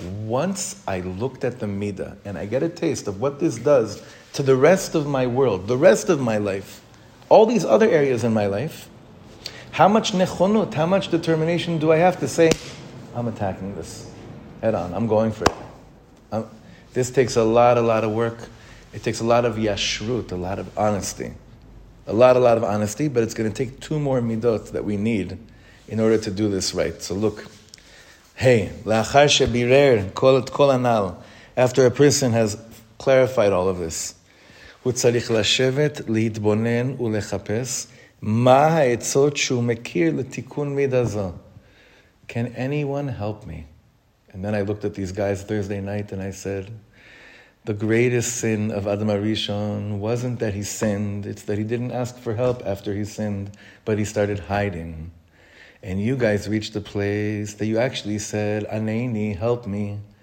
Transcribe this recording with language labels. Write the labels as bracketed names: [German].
[English] Once I looked at the midah and I get a taste of what this does to the rest of my world, the rest of my life, all these other areas in my life, how much nechonut, how much determination do I have to say, I'm attacking this head on, I'm going for it. This takes a lot of work. It takes a lot of yashrut, a lot of honesty. A lot of honesty, but it's going to take two more midot that we need in order to do this right. So look, hey, [Hebrew] la'achar shebirer, kol anal, [English] after a person has clarified all of this, [Hebrew] הוא צריך לשבת, להתבונן ולחפש מה העצות שהוא מכיר לתיקון מידה זו. [English] Can anyone help me? And then I looked at these guys Thursday night and I said, the greatest sin of Adam HaRishon wasn't that he sinned, it's that he didn't ask for help after he sinned, but he started hiding. And you guys reached the place that you actually said, Aneini, help me.